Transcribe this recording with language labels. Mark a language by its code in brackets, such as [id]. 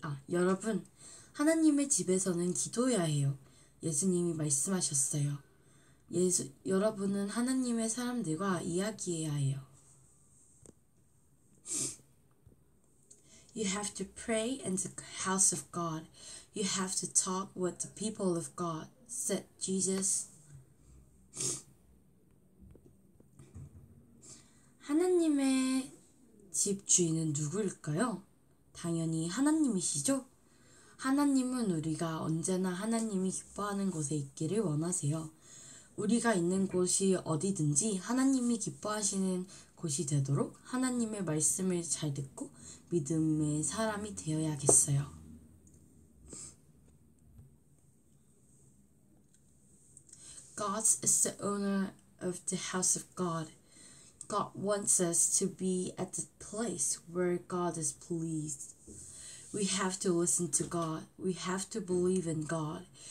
[ko] "여러분, 하나님의 집에서는 기도해야 해요." 예수님이 말씀하셨어요. 여러분은 하나님의 사람들과 이야기해야 해요. [en] You have to pray in the house of God. You have to talk with the people of God, said Jesus. [ko] 하나님의 집 주인은 누구일까요? 당연히 하나님이시죠? 하나님은 우리가 언제나 하나님이 기뻐하는 곳에 있기를 원하세요. 우리가 있는 곳이 어디든지 하나님이 기뻐하시는 곳이 되도록 하나님의 말씀을 잘 듣고 믿음의 사람이 되어야겠어요. [en] 'God is the owner of the house of God. God wants us to be at the place where God is pleased. We have to listen to God. We have to believe in God.